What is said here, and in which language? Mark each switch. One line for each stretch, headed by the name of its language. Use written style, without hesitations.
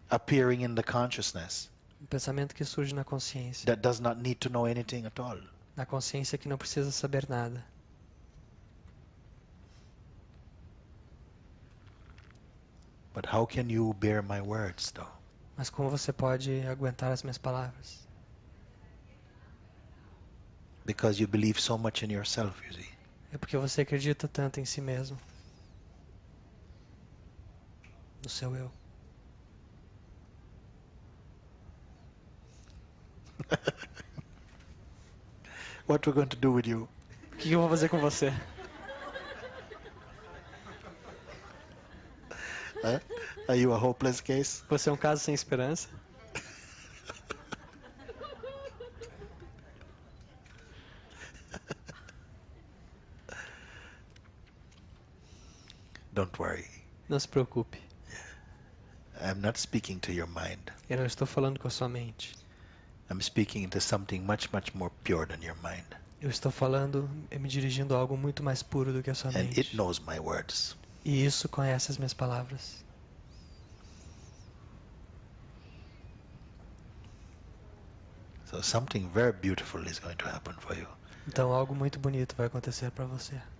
English: Appearing in the consciousness.
Portuguese: Um pensamento que surge na consciência.
English: That does not need to know anything at all.
Portuguese: Na consciência que não precisa saber nada.
English: But how can you bear my words, though?
Portuguese: Mas como você pode aguentar as minhas palavras?
English: Because you believe so much in yourself, you see.
Portuguese: É porque você acredita tanto em si mesmo. No seu eu.
English: What we're going to do with you?
Portuguese: O que eu vou fazer com você?
English: Are you a hopeless case?
Portuguese: Você é um caso sem esperança?
English: Don't worry.
Portuguese: Não se preocupe.
English: I'm not speaking to your mind.
Portuguese: Eu não estou falando com a sua mente.
English: I'm speaking to something much, much more pure than your mind.
Portuguese: Eu estou falando e me dirigindo a algo muito mais puro do que a sua
English: mente. And it knows my words.
Portuguese: E isso conhece as minhas palavras.
English: So something very beautiful is going to happen for you.
Portuguese: Então algo muito bonito vai acontecer para você.